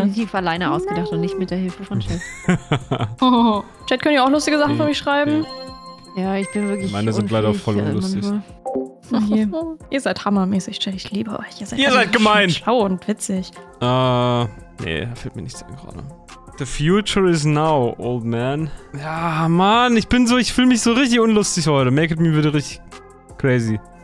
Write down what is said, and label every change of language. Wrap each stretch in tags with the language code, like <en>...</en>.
<de>mir definitiv alleine ausgedacht und nicht mit der Hilfe von Chat. Chat, könnt ihr auch lustige Sachen für mich schreiben? Ja, ich bin wirklich. Meine sind leider voll unlustig. Okay. Ihr seid hammermäßig, Chat. Ich liebe euch. Ihr seid gemein. Schlau und witzig. Nee, da fällt mir nichts ein gerade.</de> <en>The future is now, old man.</en> <de>Ja, Mann, ich fühle mich so richtig unlustig heute.</de> <en>Make it me</en> <de>wieder richtig crazy.</de>